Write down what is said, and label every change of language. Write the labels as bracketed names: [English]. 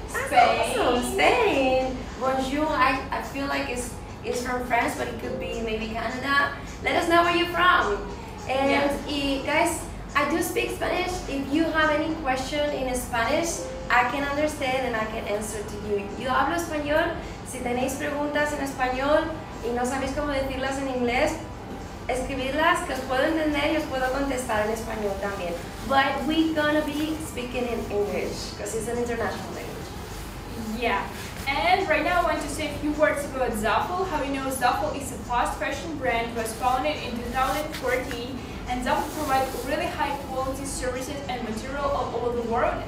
[English] Spain. [French] Bonjour. [English] I feel like it's from France, but it could be maybe Canada. Let us know where you're from. And yeah. Guys, I do speak Spanish. If you have any question in Spanish, I can understand and I can answer to you. [Spanish] Yo hablo español. Si tenéis preguntas en español y no sabéis cómo decirlas en inglés, escribirlas, que os puedo entender y os puedo contestar en español también. [English] But we're gonna be speaking in English because it's an international language. Yeah. And right now I want to say a few words about Zaful. How you know Zaful is a fast fashion brand, was founded in 2014, and Zaful provides really high quality services and material all over the world.